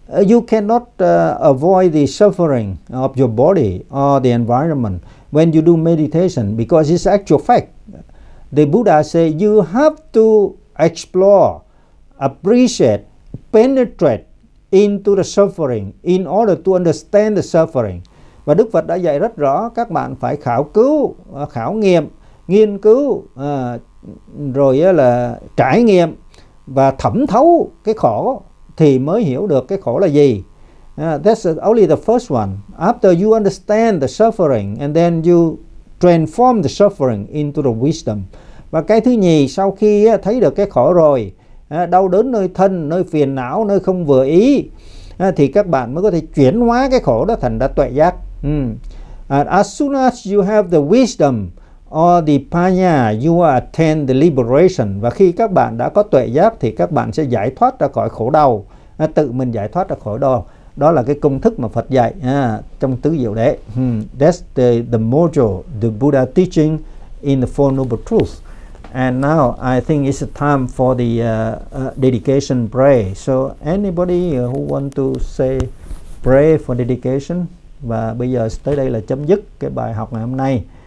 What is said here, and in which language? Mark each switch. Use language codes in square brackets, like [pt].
[en] You cannot avoid the suffering of your body or the environment when you do meditation, because it's actual fact. The Buddha say you have to explore, appreciate, penetrate into the suffering in order to understand the suffering. [vi] Và Đức Phật đã dạy rất rõ, các bạn phải khảo cứu, khảo nghiệm, nghiên cứu, rồi là trải nghiệm và thẩm thấu cái khổ, thì mới hiểu được cái khổ là gì. [en] That's only the first one. After you understand the suffering, and then you transform the suffering into the wisdom. [vi] Và cái thứ nhì, sau khi thấy được cái khổ rồi, đau đớn nơi thân, nơi phiền não, nơi không vừa ý, thì các bạn mới có thể chuyển hóa cái khổ đó thành ra tuệ giác. [en] As soon as you have the wisdom or the panya, you attain the liberation. [vi] Và khi các bạn đã có tuệ giác thì các bạn sẽ giải thoát ra khỏi khổ đau, tự mình giải thoát ra khỏi đau. Đó là cái công thức mà Phật dạy trong tứ diệu đế. [en] That's the module the Buddha teaching in the Four Noble Truths. And now I think it's time for the dedication prayer. So anybody who want to say pray for dedication. [vi] Và bây giờ tới đây là chấm dứt cái bài học ngày hôm nay.